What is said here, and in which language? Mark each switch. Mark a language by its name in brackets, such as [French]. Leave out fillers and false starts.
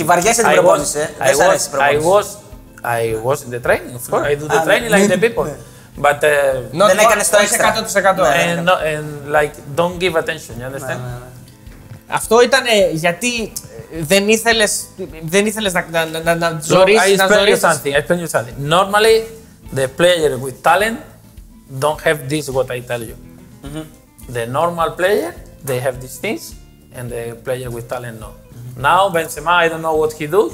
[Greek] Τι βαριέσαι την προπόνηση, ε? Δεν σ' αρέσει η προπόνηση. [English] I was in the training, of course. I do the training like the people. But not [Greek] δεν έκανες το extra. 100%. [English] And like, don't give attention, you understand? [Greek] Αυτό ήταν γιατί δεν ήθελες να ζωρίσεις. [English] I explain you something. Normally, the player with talent don't have this, what I tell you. Mm-hmm. The normal player, they have these things, and the player with talent, no. Now Benzema, I don't know what he do.